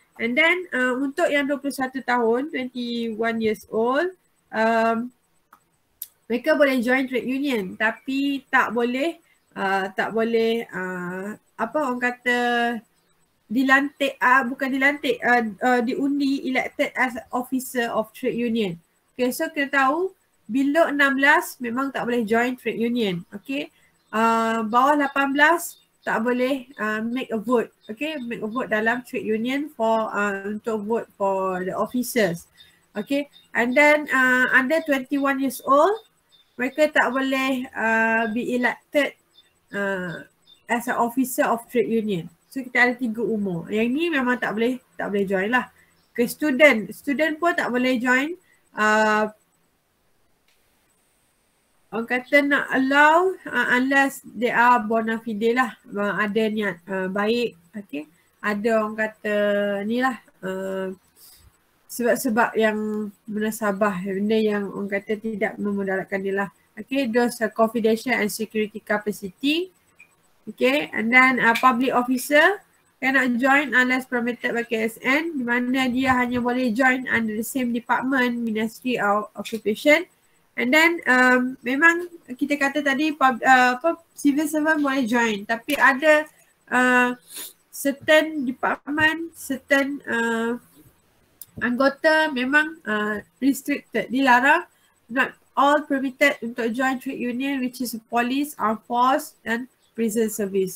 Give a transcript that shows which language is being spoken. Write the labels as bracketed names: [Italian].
[Malay] And then untuk yang 21 tahun, 21 years old, mereka boleh join trade union tapi tak boleh apa orang kata dilantik, bukan dilantik, diundi, elected as officer of trade union. Okay, so kita tahu below 16 memang tak boleh join trade union. Okay, bawah 18 tak boleh make a vote. [English] Okay, make a vote dalam trade union for untuk vote for the officers. Okay, and then under 21 years old, mereka tak boleh be elected as an officer of trade union. [Malay] So kita ada tiga umur. Yang ni memang tak boleh join lah. Okay, student pun tak boleh join. Orang kata nak allow [English] unless they are bona fide [Malay] lah. Ada niat baik. Okay. Ada orang kata ni lah. Sebab-sebab yang munasabah. Benda yang orang kata tidak memudaratkan dia lah. [English] Okay, those are confidential and security capacity. Okay, and then public officer cannot join unless permitted by KSN, [Malay] di mana dia hanya boleh join [English] under the same department, Ministry of Occupation. And then memang kita kata tadi civil servant boleh join, [Malay] tapi ada [English] certain department, certain anggota memang restricted, dilarang, not all permitted untuk join trade union, which is police, armed force and prison service.